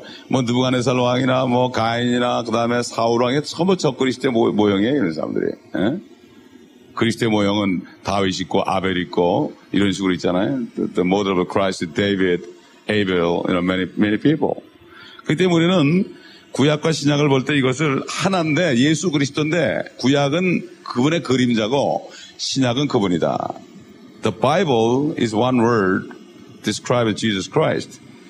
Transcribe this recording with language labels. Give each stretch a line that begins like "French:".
Korean: 느부갓네살 왕이나 뭐 가인이나 그 다음에 사울 왕이 전부 적그리스도의 모형이에요. 이런 사람들이. 그리스도의 모형은 다윗 있고 아벨 있고 이런 식으로 있잖아요.
English: The model of Christ, David, Abel, you know, many people.
Korean: 그렇기 때문에 우리는 구약과 신약을 볼 때 이것을 하나인데 예수 그리스도인데 구약은 그분의 그림자고 신약은 그분이다.
English: The Bible is one word describing Jesus Christ.